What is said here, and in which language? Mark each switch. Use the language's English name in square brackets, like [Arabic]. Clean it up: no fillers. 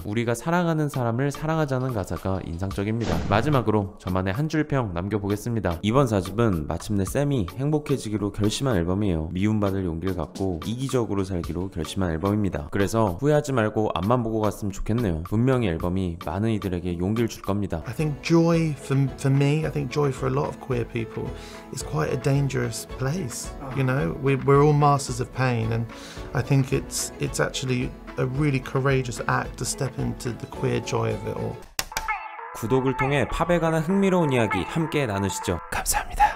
[Korean] 우리가 사랑하는 사람을 사랑하자는 가사가 인상적입니다. 마지막으로 저만의 한 줄 평 남겨보겠습니다. 이번 4집은 마침내 샘이 행복해지기로 결심한 앨범이에요. 미움받을 용기를 갖고 이기적으로 살기로 결심한 앨범입니다. 그래서 후회하지 말고 앞만 보고 갔으면 좋겠네요. 분명히 앨범이 많은 이들에게 용기를 줄 겁니다. [English] I think joy for me, I think joy for a lot of queer people is quite a dangerous place. You know, we're all masters of pain, and I think it's actually a really courageous act to step into the queer joy of it all. [Korean] 구독을 통해 팝에 관한 흥미로운 이야기 함께 나누시죠. 감사합니다.